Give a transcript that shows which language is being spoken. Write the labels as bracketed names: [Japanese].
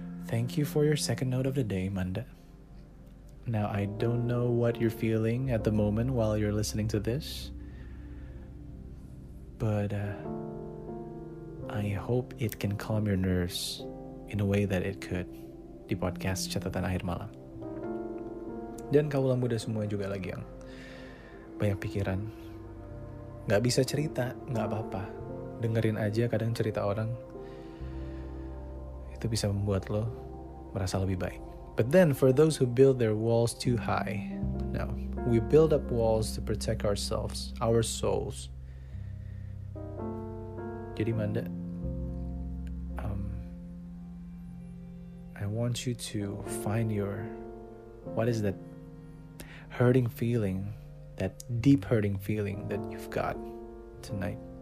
[English] Thank you for your second note of the day, Manda. Now, I don't know what you're feeling at the moment while you're listening to this, but I hope it can calm your nerves in a way that it could di podcast Catatan Akhir Malam. [Indonesian] Dan kaula muda semua juga lagi yang banyak pikiran, gak bisa cerita, gak apa-apa. Dengerin aja kadang cerita orang, itu bisa membuat lo merasa lebih baik. [English] But then, for those who build their walls too high, no, we build up walls to protect ourselves, our souls. Jadi Manda, I want you to find your, what is that hurting feeling, that deep hurting feeling that you've got tonight.